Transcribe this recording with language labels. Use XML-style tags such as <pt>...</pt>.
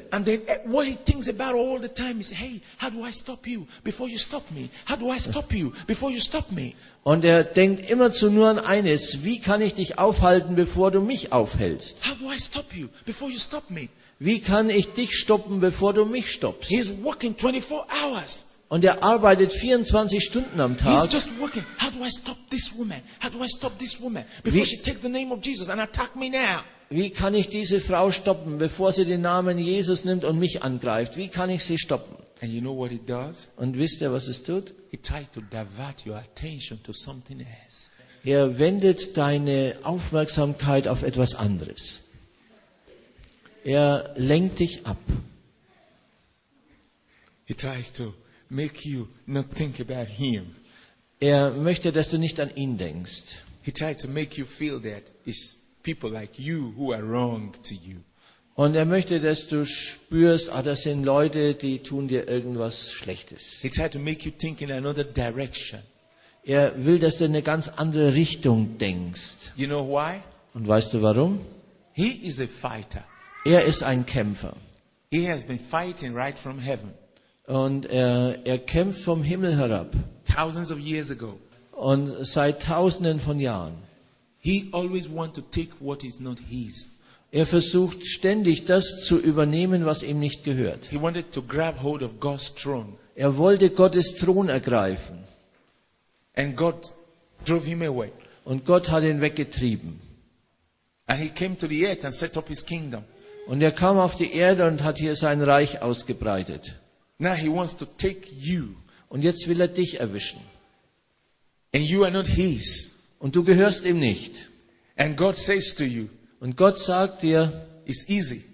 <en>And then what he thinks about all the time is, hey, how do I stop you before you stop me? How do I stop you before you stop me?</en> <de>Und er denkt immerzu nur an eines, wie kann ich dich aufhalten, bevor du mich aufhältst?</de> <en>How do I stop you before you stop me?</en> <de>Wie kann ich dich stoppen, bevor du mich stoppst?</de> <en>He's working 24 hours.</en> <de>Und er arbeitet 24 Stunden am Tag.</de> <en>He's just working. How do I stop this woman? How do I stop this woman before she takes the name of Jesus and attack me now?</en> <de>Wie kann ich diese Frau stoppen, bevor sie den Namen Jesus nimmt und mich angreift? Wie kann ich sie stoppen?</de> <en>And you know what it does?</en> <de>Und wisst ihr, was es tut?</de> <en>It tries to divert your attention to something else.</en> <de>Er wendet deine Aufmerksamkeit auf etwas anderes. Er lenkt dich ab.</de> <en>He tries to make you not think about him.</en> <de>Er möchte, dass du nicht an ihn denkst.</de> <en>He tries to make you feel that it's people like you who are wrong to you.</en> <de>Und er möchte, dass du spürst, ah, das sind Leute, die tun dir irgendwas Schlechtes.</de> <en>He tries to make you think in another direction.</en> <de>Er will, dass du in eine ganz andere Richtung denkst.</de> <en>You know why?</en> <de>Und weißt du warum?</de> <en>He is a fighter.</en> <de>Er ist ein Kämpfer.</de> <en>He has been fighting right from heaven.</en> <de>Und er kämpft vom Himmel herab.</de> <en>Thousands of years ago.</en> <de>Und seit Tausenden von Jahren.</de> <en>He always wants to take what is not his.</en> <de>Er versucht ständig, das zu übernehmen, was ihm nicht gehört.</de> <en>He wanted to grab hold of God's throne.</en> <de>Er wollte Gottes Thron ergreifen.</de> <en>And God drove him away.</en> <de>Und Gott hat ihn weggetrieben.</de> <en>And he came to the earth and set up his kingdom.</en> <de>Und er kam auf die Erde und hat hier sein Reich ausgebreitet.</de> <en>Now he wants to take you.</en> <de>Und jetzt will er dich erwischen.</de> <en>And you are not his.</en> <de>Und du gehörst ihm nicht.</de> <en>And God says to you,</en> <de>und Gott sagt dir,</de> <en>it's easy.</en>